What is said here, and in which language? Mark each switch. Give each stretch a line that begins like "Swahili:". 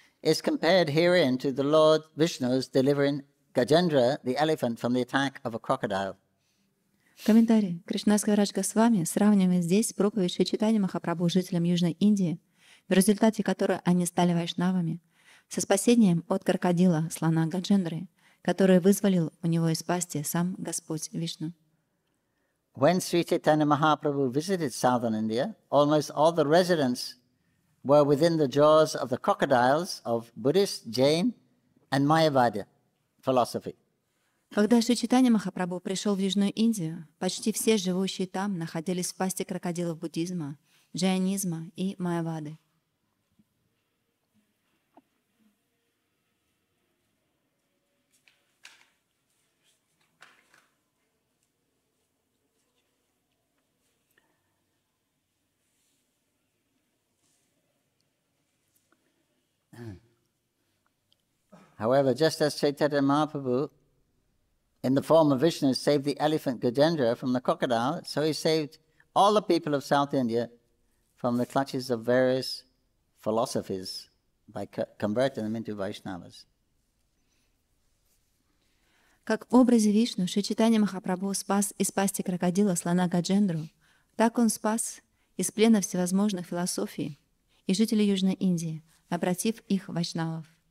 English: Is compared herein to the Lord Vishnu's delivering Gajendra, the elephant, from the attack of a crocodile.
Russian: Комментарий. Кришнаская Раджа с вами сравнивает здесь проповедь Шри Чайтанья Махапрабху жителям Южной Индии, в результате которой они стали вайшнавами, со спасением от крокодила слона Гаджендры, который вызволил у него из пасти сам Господь Вишну.
English: When Sri Chaitanya Mahaprabhu visited southern India, almost all the residents were within the jaws of the crocodiles of Buddhist, Jain, and Mayavada philosophy.
Russian: Когда Шри Чайтанья Махапрабху пришел в Южную Индию, почти все живущие там находились в пасти крокодилов буддизма, джайнизма и майявады.
English: However, just as Chaitanya Mahaprabhu, in the form of Vishnu, saved the elephant Gajendra from the crocodile, so he saved all the people of South India from the clutches of various philosophies by converting them into Vaishnavas.
Russian: Как в образе Вишну Шри Чайтанья Махапрабху спас из пасти крокодила слона Гаджендру, так он спас из плена всевозможных философий и жителей Южной Индии, обратив их в вайшнавов.